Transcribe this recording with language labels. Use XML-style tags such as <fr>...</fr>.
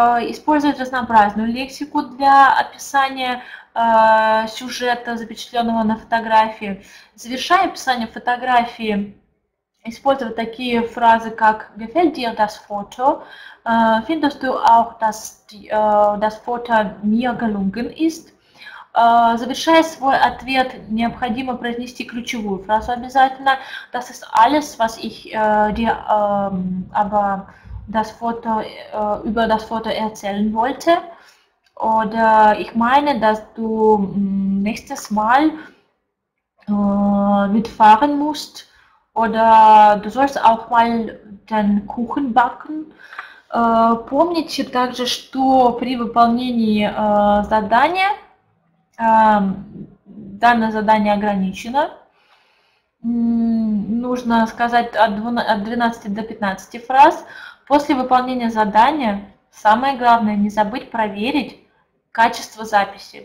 <ru>Использовать разнообразную лексику для описания сюжета, запечатленного на фотографии. Завершая описание фотографии, использовать такие фразы, как</ru> <de>«Gefällt dir das Foto?», «Findest du auch, dass das Foto mir gelungen ist?».</de> <ru>Завершая свой ответ, необходимо произнести ключевую фразу обязательно.</ru> <de>«Das ist alles, was ich dir aber das Foto, über das Foto erzählen wollte». Oder «Ich meine, dass du nächstes Mal mitfahren musst». Oder du sollst auch mal den Kuchen backen.</de> <ru>Помните также, что при выполнении задания, данное задание ограничено. Нужно сказать от 12 до 15 фраз. После выполнения задания самое главное не забыть проверить качество записи.</ru>